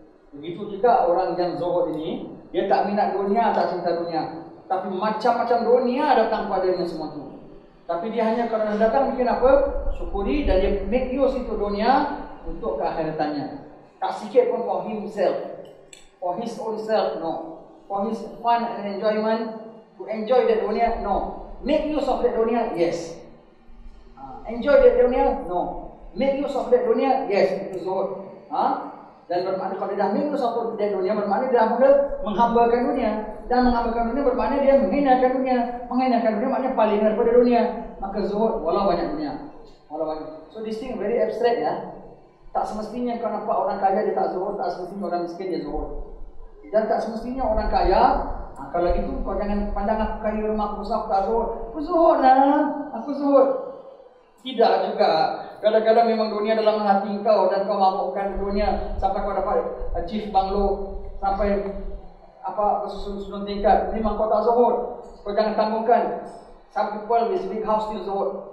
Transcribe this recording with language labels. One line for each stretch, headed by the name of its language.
Malay: Begitu juga orang yang zuhud ini, dia tak minat dunia, tak cinta dunia. Tapi macam-macam dunia datang pada dia semua itu. Tapi dia hanya kerana datang bikin apa? Syukuri dan dia
English: make use
Malay: itu dunia untuk keakhiratannya. Tak sikit pun
English: for himself. For his own self, no. For his fun and enjoyment. To enjoy the dunia, no. Make use of the dunia, yes. Enjoy the dunia, no. Make use of the dunia, yes.
Malay: Itu zuhud. Dan bermakna kalau dah
English: make use of the dunia,
Malay: bermakna dia dah mula menghambakan dunia. Dan menghambakan dunia bermakna dia menghinakan dunia. Menghinakan dunia maknanya paling daripada dunia. Maka zuhud, walau banyak dunia. Walau banyak.
English: So this thing very abstract
Malay: ya. Tak semestinya kau nampak orang kaya dia tak zuhud, tak semestinya orang miskin dia zuhud. Dan tak semestinya orang kaya, kalau gitu kau jangan pandang aku kaya rumah aku besar, aku tak zuhud. Aku zuhud lah, aku zuhud. Tidak juga. Kadang-kadang memang dunia dalam hati kau dan kau mabukkan dunia sampai kau dapat chief banglo sampai apa susun-susun tingkat. Memang kau tak zuhud. Kau jangan tanggungkan.
English: Some people with big house still zuhud.